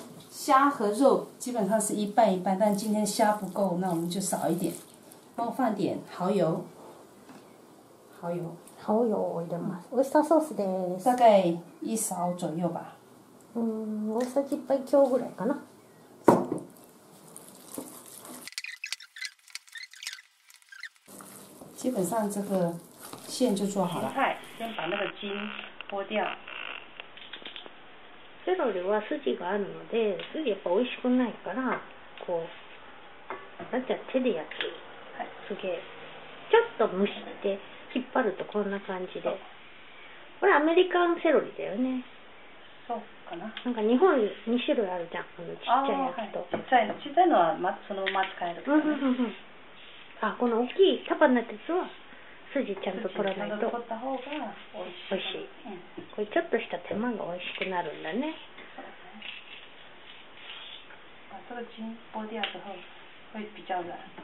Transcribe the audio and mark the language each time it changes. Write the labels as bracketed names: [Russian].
[Chinese] 虾和肉基本上是一半一半，但今天虾不够，那我们就少一点。然后放点蚝油，蚝油， [Japanese] 蚝油を入れます。オイスターソースです。 [Chinese] 大概一勺左右吧。 [Japanese] 嗯，大さじ1杯強ぐらいかな。 [Chinese] 基本上这个馅就做好了。菜，先把那个筋剥掉。 [Japanese] セロリは筋があるので、筋やっぱ美味しくないから、こう、なんていうの、手で焼く。はい。すげえ。ちょっと蒸して、引っ張るとこんな感じで。これアメリカンセロリだよね。そうかな。なんか日本に2種類あるじゃん、このちっちゃいやつと。はい、ちっちゃいのは、ま、そのまま使えるから、ね。あ、この大きい束になったやつは、筋ちゃんと取らないと。筋ちゃんと取った方が美味しい。これちょっとした手間が美味しくなるんだね。 [Chinese] 把这个筋剥掉之后会比较软。